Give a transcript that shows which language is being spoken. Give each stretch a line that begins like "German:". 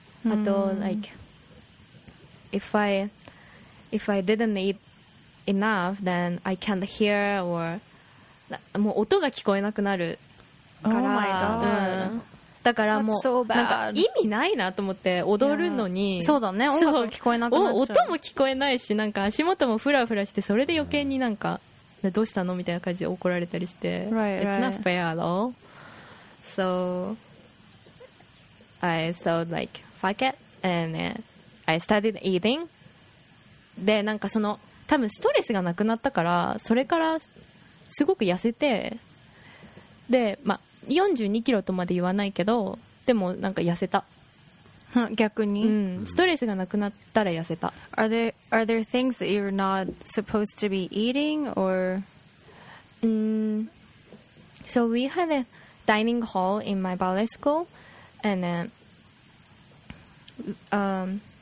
English: あと、うん、like if I didn't eat enough then I can't hear or
Japanese: もう音が聞こえなくなるから、
English: oh
Japanese: うん、だからもう、
English: so、
Japanese: なんか意味ないなと思って踊るのに、そうだね、音が聞こえなくなっちゃう、音も聞こえないし、なんか足元もフラフラして、それで余計になんか、うん、どうしたのみたいな感じで怒られたりして、
English: right, it's not fair though、so I saw likeFuck it. And I started eating.
Japanese: で、なんかその多分ストレスがなくなったから、それからすごく痩せて、で、まあ、42キロとまで言わないけど、でもなんか痩せた。逆に、うん、ストレスがなくなったら痩せた。
English: Are there things that you're not supposed to be eating or? So we had a dining hall in my ballet school, and then.